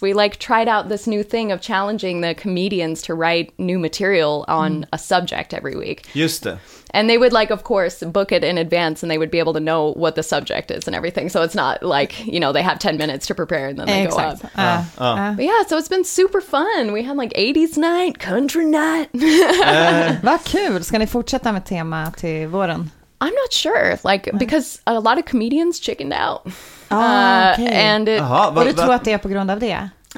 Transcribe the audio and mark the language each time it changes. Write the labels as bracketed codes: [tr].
[en] We like tried out this new thing of challenging the comedians to write new material on a subject every week. [sv] Just det. [en] And they would like, of course, book it in advance and they would be able to know what the subject is and everything. So it's not like, you know, they have 10 minutes to prepare and then they exactly. go up. But yeah, so it's been super fun. We had like 80s night, country night. [sv] Vad kul. Ska ni fortsätta med tema till våren? [en] I'm not sure, like, because a lot of comedians chickened out. [sv] Och du tror att det är på grund av det?